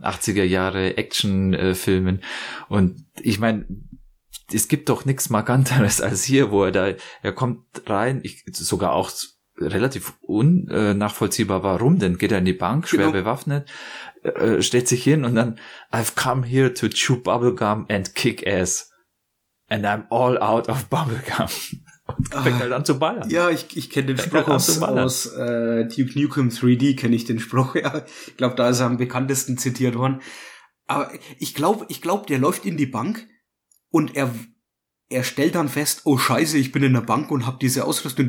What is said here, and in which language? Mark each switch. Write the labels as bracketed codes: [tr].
[de] 80er-Jahre-Action-Filmen. Und ich meine, es gibt doch nichts Markanteres als hier, wo er kommt rein, sogar auch relativ unnachvollziehbar, warum denn? Geht er in die Bank, schwer bewaffnet, stellt sich hin und dann, [en] I've come here to chew bubblegum and kick ass. And I'm all out of bubblegum. [de] Und fängt halt an zu ballern. Ja, ich kenne den Spruch aus Duke Nukem 3D, kenne ich den Spruch, ja. Ich glaube, da ist er am bekanntesten zitiert worden. Aber ich glaube, der läuft in die Bank und er stellt dann fest, oh scheiße, ich bin in der Bank und habe diese Ausrüstung.